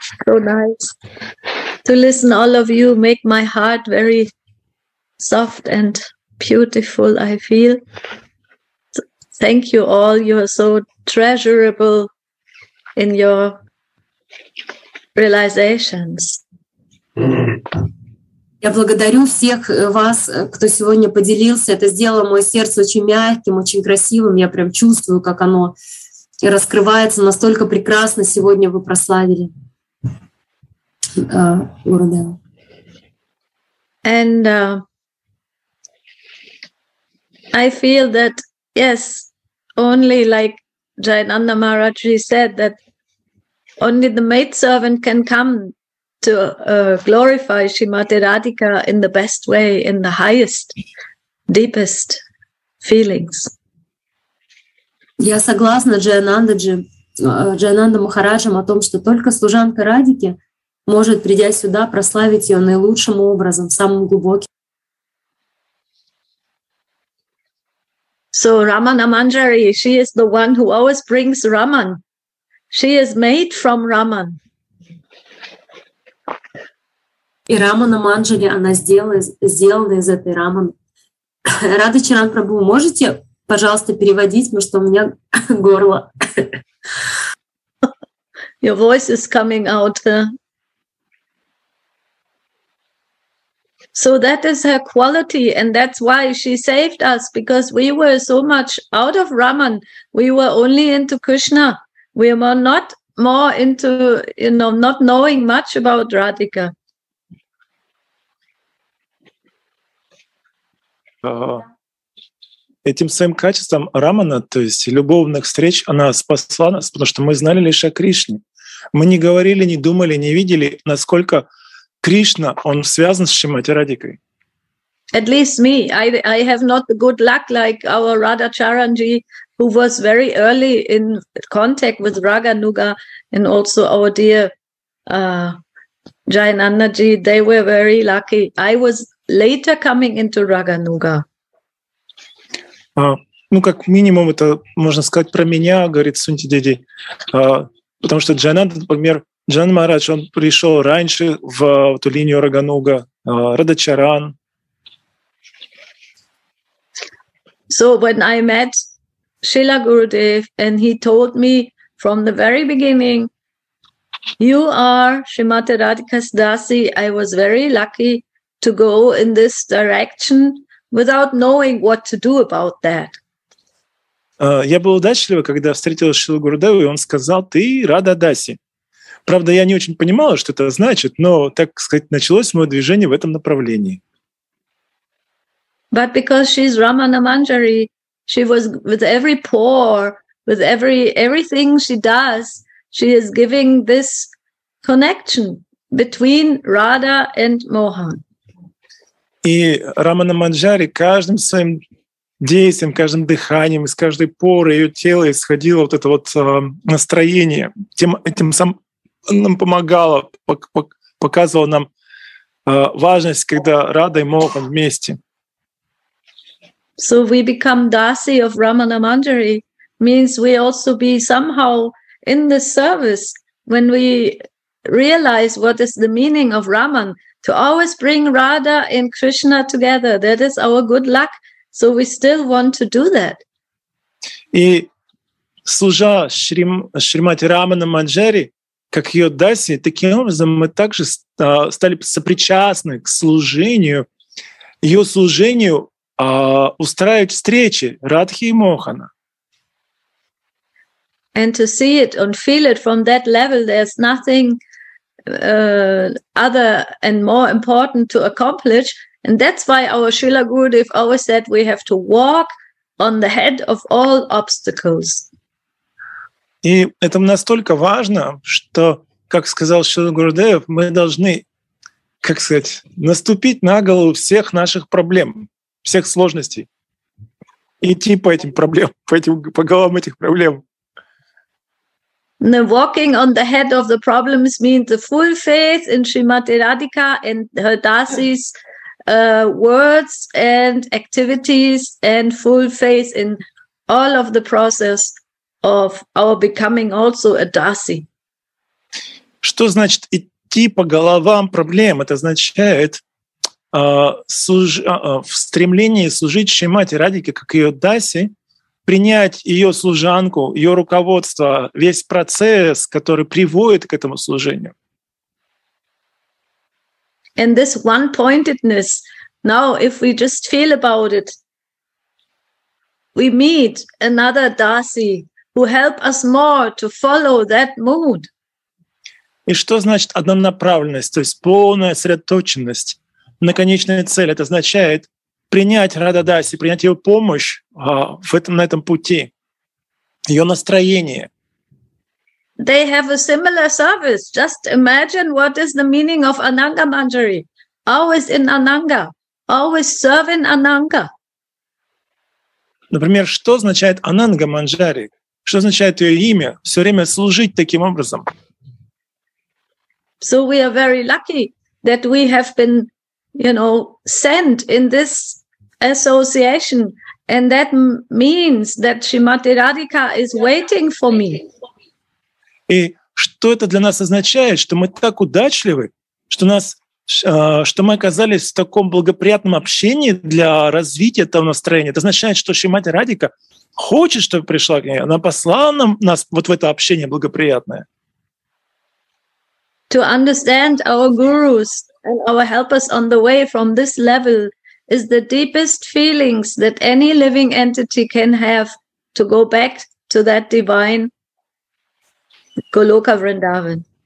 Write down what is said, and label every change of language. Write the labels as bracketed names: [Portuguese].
[English] So nice to listen all of you, make my heart very soft and beautiful, I feel. Thank you all, you are so treasurable in your realizations. [Russian] Я благодарю всех вас, кто сегодня поделился. Это сделало мое сердце очень мягким, очень красивым. Я прям чувствую, как оно раскрывается. Настолько прекрасно сегодня вы прославили Гурудева. [English] And I feel that, yes, only like Jayananda Maharaji said, that only the maidservant can come to glorify Srimati Radhika in the best way, in the highest, deepest feelings. [Russian] Я согласна Джайананда Махараджем о том, что только служанка Радики может, придя сюда, прославить ее наилучшим образом, самым глубоким. [English] So Ramana Manjari, she is the one who always brings Raman. She is made from Raman. [Russian] И Рамана Манджари, она сделана из этой Раманы. Рады Чаран Прабу, можете, пожалуйста, переводить, потому что у меня горло. [English] Your voice is coming out. So that is her quality, and that's why she saved us, because we were so much out of Raman. We were only into Krishna. We were not more into, you know, not knowing much about Radhika. [Russian] Этим своим качеством Рамана, то есть любовных встреч, она спасла нас, потому что мы знали лишь о Кришне. Мы не говорили, не думали, не видели, насколько Кришна, он связан с Шримати Радикой. [English] At least me. I have not the good luck like our Radha Charanji, who was very early in contact with Raganuga, and also our dear Jayanandaji. They were very lucky. I was later coming into Raganuga. [Russian] Ну, как минимум, это можно сказать про меня, говорит Сунти Деди. Потому что Джайананда, например, Джан Марадж, он пришел раньше в эту линию Рагануга, Радачаран. [English] So when I met Srila Gurudev and he told me from the very beginning, you are Srimati Radhika's Dasi, I was very lucky to go in this direction without knowing what to do about that. [Russian] Я был удачливый, когда встретил Шилу Гурудеву, и он сказал, ты Рада Даси. Правда, я не очень понимала, что это значит, но, так сказать, началось мое движение в этом направлении. [English] But because she's Ramana Manjari, she was with every pore, with everything she does, she is giving this connection between Radha and Mohan. [Russian] И Рамана Манджари каждым своим действием, каждым дыханием, из каждой поры ее тела исходило вот это вот настроение, тем самым нам помогало, показывало нам важность, когда Рада и Мохан вместе. [English] So we become dasi of Ramana Manjari means we also be somehow in the service when we realize what is the meaning of Raman. To always bring Radha and Krishna together. That is our good luck. So we still want to do that. [Russian] И служа Шримати Рамана Манджари, как ее даси, таким образом мы также стали сопричастны к служению, ее служению устраивать встречи Радхи и Мохана. [English] And to see it and feel it from that level, there's nothing other and more important to accomplish, and that's why our Srila Gurudev always said we have to walk on the head of all obstacles. [Russian] И это настолько важно, что, как сказал Шрила Гурудев, мы должны, как сказать, наступить на голову всех наших проблем, всех сложностей, идти по этим проблемам, по головам этих проблем. [English] The walking on the head of the problems means the full faith in Srimati Radhika and her Dasi's words and activities and full faith in all of the process of our becoming also a Dasi. [Russian] Что значит идти по головам проблем? Это означает в стремлении служить Шримати Радике, как ее Даси, принять ее служанку, ее руководство, весь процесс, который приводит к этому служению. [English] And this one-pointedness, now if we just feel about it, we meet another Dasi, who help us more to follow that mood. [Russian] И что значит однонаправленность, то есть полная сосредоточенность на конечной цели? Это означает принять Рада Даси, принять ее помощь на этом пути, ее настроение. [English] They have a similar service. Just imagine what is the meaning of Ananga Manjari. Always in Ananga. Always serving Ananga. [Russian] Например, что означает Ананга Манджари? Что означает ее имя? Все время служить таким образом. [English] So we are very lucky that we have been, you know, sent in this association, and that means that Srimati Radhika is waiting for me. [Russian] И что это для нас означает, что мы так удачливы, что нас, что мы оказались в таком благоприятном общении для развития этого настроения? Это означает, что Шримати Радика хочет, чтобы пришла к ней, она послала нам нас вот в это общение благоприятное. [English] To understand our gurus and our helpers on the way from this level is the deepest feelings that any living entity can have to go back to that divine Голока Вриндаван.